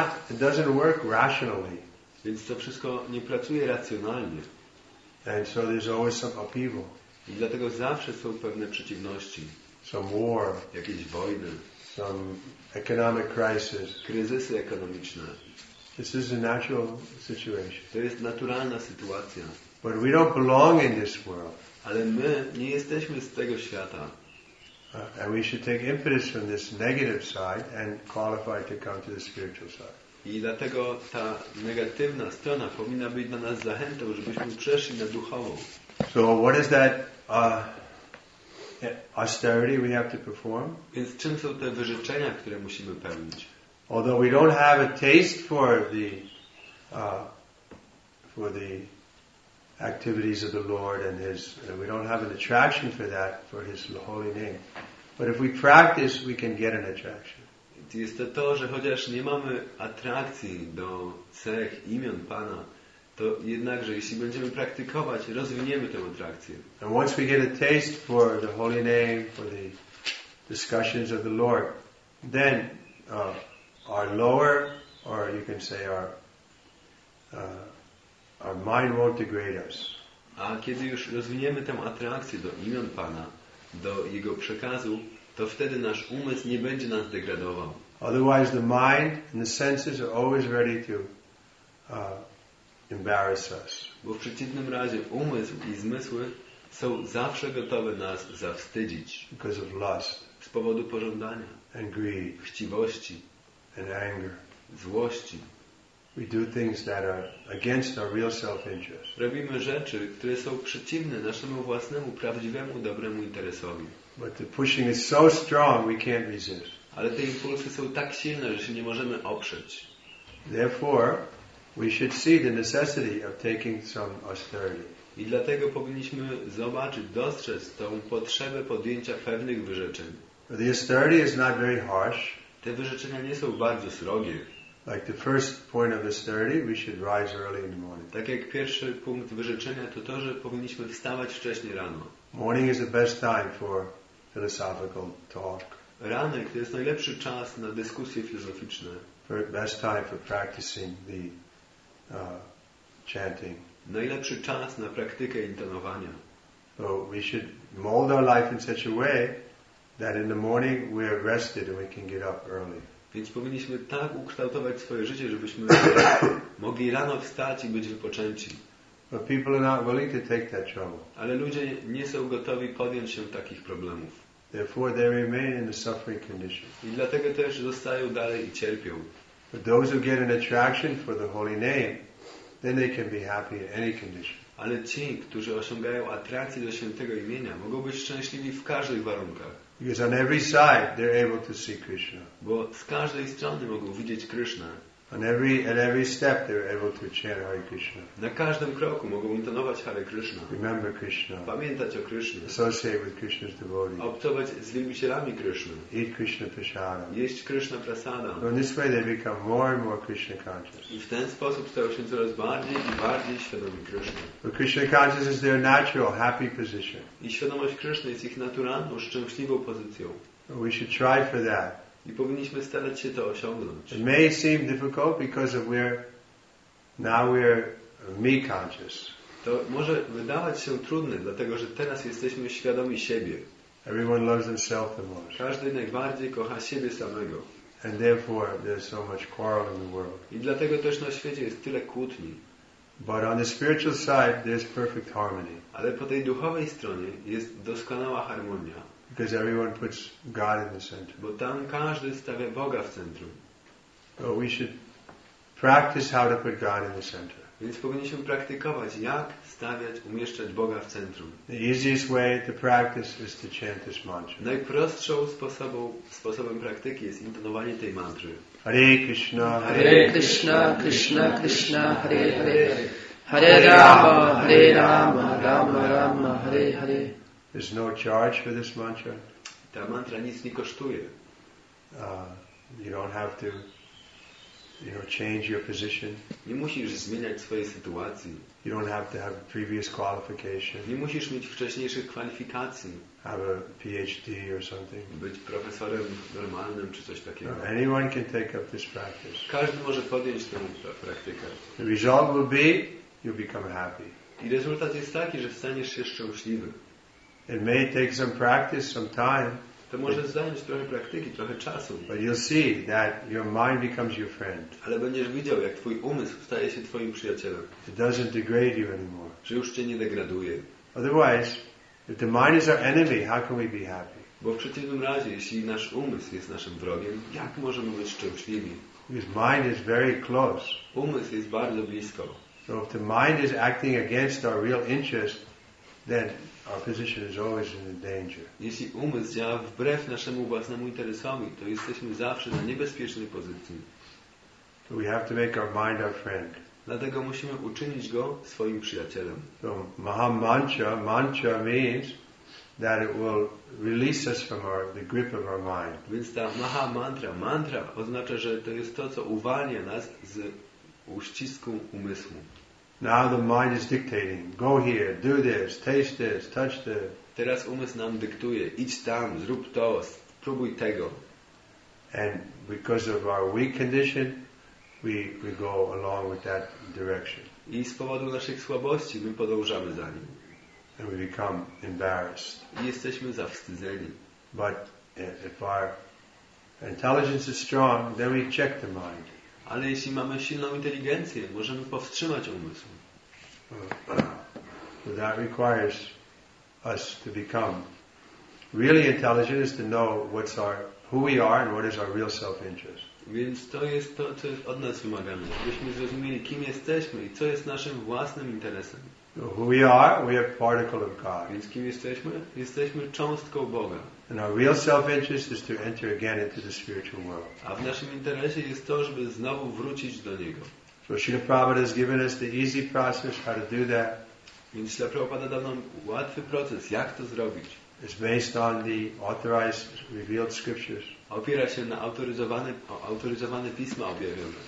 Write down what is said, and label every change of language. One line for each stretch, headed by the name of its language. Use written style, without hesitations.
English: It doesn't work rationally.
Polish: Więc to wszystko nie pracuje racjonalnie.
English: And so there's always some upheaval.
Polish: I dlatego zawsze są pewne przeciwności.
English: Some war.
Polish: Jakieś wojny.
English: Some economic crisis.
Polish: Kryzysy ekonomiczne.
English: This is a natural situation.
Polish: To jest naturalna sytuacja.
English: But we don't belong in this world.
Polish: Ale my nie jesteśmy z tego świata.
English: And we should take impetus from this negative side and qualify to come to the spiritual side.
Polish: I dlatego ta negatywna strona powinna być dla nas zachętą, żebyśmy przeszli na duchową.
English: So what is that austerity we have to perform?
Polish: Więc czym są te wyrzeczenia, które musimy pełnić?
English: Although we don't have a taste for the activities of the Lord and His, we don't have an attraction for that, for His holy name. But if we practice, we can get an attraction.
Polish: Jest to to, że chociaż nie mamy atrakcji do cech, imion Pana, to jednakże, jeśli będziemy praktykować, rozwiniemy tę atrakcję.
English: And once we get a taste for the holy name, for the discussions of the Lord, then our lower, or you can say our mind won't degrade us.
Polish: A kiedy już rozwiniemy tę atrakcję do imion Pana, do Jego przekazu, to wtedy nasz umysł nie będzie nas degradował.
English: Otherwise the mind and the senses are always ready to embarrass us.
Polish: Bo w przeciwnym razie umysł i zmysły są zawsze gotowe nas zawstydzić.
English: Because of lust.
Polish: Z powodu pożądania.
English: And greed.
Polish: Chciwości.
English: And anger.
Polish: Złości.
English: We do things that are against our real self-interest.
Polish: Robimy rzeczy, które są przeciwne naszemu własnemu, prawdziwemu, dobremu interesowi.
English: But the pushing is so strong, we can't resist.
Polish: Ale te impulsy są tak silne, że się nie możemy oprzeć.
English: Therefore, we should see the necessity of taking some austerity.
Polish: I dlatego powinniśmy zobaczyć, dostrzec tą potrzebę podjęcia pewnych wyrzeczeń.
English: But the austerity is not very harsh.
Polish: Te wyrzeczenia nie są bardzo srogie.
English: Like the first point of austerity, we should rise early in the morning.
Polish: Tak jak pierwszy punkt wyrzeczenia to, że powinniśmy wstawać wcześniej rano.
English: Morning is the best time for philosophical talk.
Polish: Ranek to jest najlepszy czas na dyskusje filozoficzne.
English: Best time for practicing the chanting.
Polish: Najlepszy czas na praktykę intonowania.
English: So we should mold our life in such a way that in the morning we are rested and we can get up early.
Polish: Więc powinniśmy tak ukształtować swoje życie, żebyśmy mogli rano wstać i być wypoczęci.
English: But people are not willing to take that trouble.
Polish: Ale ludzie nie są gotowi podjąć się takich problemów.
English: Therefore they remain in a suffering condition.
Polish: I dlatego też zostają dalej i cierpią.
English: But those who get an attraction for the holy name, then they can be happy in any condition.
Polish: Ale ci, którzy osiągają atrakcję do świętego imienia, mogą być szczęśliwi w każdych warunkach.
English: Because on every side they're able to see Krishna.
Polish: Bo z każdej strony mogą widzieć Krishna.
English: At every step they're able to chant Hare Krishna.
Polish: Na każdym kroku mogą intonować Hare Krishna.
English: Remember Krishna.
Polish: Pamiętać o Krishna.
English: Associate with Krishna's devotees.
Polish: Obcować z wielbicielami Krishna.
English: Eat Krishna prasada.
Polish: Jeść Krishna prasada.
English: So in this way they become more and more Krishna conscious.
Polish: I w ten sposób stają się coraz bardziej i bardziej świadomi Krishna.
English: But Krishna consciousness is their natural happy position.
Polish: I świadomość Krishna jest ich naturalną szczęśliwą pozycją.
English: We should try for that.
Polish: I powinniśmy starać się to osiągnąć.
English: It may seem difficult because of now we're me conscious.
Polish: To może wydawać się trudne, dlatego że teraz jesteśmy świadomi siebie.
English: Everyone loves himself the most.
Polish: Każdy najbardziej kocha siebie samego.
English: And therefore there's so much quarrel in the world.
Polish: I dlatego też na świecie jest tyle kłótni.
English: But on the spiritual side there's perfect harmony.
Polish: Ale po tej duchowej stronie jest doskonała harmonia.
English: Because everyone puts God in the center.
Polish: Bo tam każdy stawia Boga w centrum.
English: So we should practice how to put God in the center.
Polish: Więc powinniśmy praktykować, jak stawiać, umieszczać Boga w centrum.
English: The easiest way to practice is to chant this mantra.
Polish: Najprostszą sposobem praktyki jest intonowanie tej mantry.
Sanskrit: Hare Krishna, Hare Krishna, Krishna Krishna, Hare Hare, Hare Rama, Hare Rama, Rama Rama, Hare Hare.
English: There's no charge for this mantra.
Polish: Ta mantra nic nie kosztuje.
English: You don't have to, you know, change your position.
Polish: Nie musisz zmieniać swojej sytuacji.
English: You don't have to have previous qualification.
Polish: Nie musisz mieć wcześniejszych kwalifikacji.
English: Have a PhD or something.
Polish: Być profesorem normalnym czy coś takiego.
English: No, anyone can take up this practice.
Polish: Każdy może podjąć tę praktykę.
English: The result will be, you'll become happy.
Polish: I rezultat jest taki, że staniesz się szczęśliwy.
English: It may take some practice, some time.
Polish: To może zająć trochę praktyki, trochę czasu.
English: But you'll see that your mind becomes your friend.
Polish: Ale będziesz widział, jak twój umysł staje się twoim przyjacielem.
English: It doesn't degrade you anymore.
Polish: Że już cię nie degraduje.
English: Otherwise, if the mind is our enemy, how can we be happy?
Polish: Bo w przeciwnym razie, jeśli nasz umysł jest naszym wrogiem, jak możemy być szczęśliwi?
English: His mind is very close.
Polish: Umysł jest bardzo blisko.
English: So if the mind is acting against our real interest, then our position is always in danger.
Polish: Jeśli umysł działa wbrew naszemu własnemu interesowi, to jesteśmy zawsze na niebezpiecznej pozycji.
English: So we have to make our mind our friend.
Polish: Dlatego musimy uczynić go swoim przyjacielem.
English: So mantra means that it will release us from the grip of our mind.
Polish: Więc ta mantra oznacza, że to jest to, co uwalnia nas z uścisku umysłu.
English: Now the mind is dictating. Go here, do this, taste this, touch this.
Polish: Teraz umysł nam dyktuje. Idź tam, zrób to, spróbuj tego.
English: And because of our weak condition, we go along with that direction.
Polish: I z powodu naszych słabości my podążamy za nim.
English: And we become embarrassed.
Polish: I jesteśmy zawstydzeni.
English: But if our intelligence is strong, then we check the mind.
Polish: Ale jeśli mamy silną inteligencję, możemy powstrzymać umysł.
English: So that requires us to become really intelligent is to know what's our who we are and what is our real self-interest.
Polish: Więc to jest to, co jest od nas wymagane, żebyśmy zrozumieli, kim jesteśmy i co jest naszym własnym interesem.
English: So who we are particle of God.
Polish: Więc kim jesteśmy? Jesteśmy cząstką Boga.
English: And our real self-interest is to enter again into the spiritual world.
Polish: A w naszym interesie jest to, żeby znowu wrócić do Niego.
English: So Śrīla Prabhupāda has given us the easy process how to do that.
Polish: Więc Śrīla Prabhupāda dał nam łatwy proces, jak to zrobić.
English: It's based on the authorized revealed scriptures.
Polish: Opiera się na autoryzowane pisma objawione.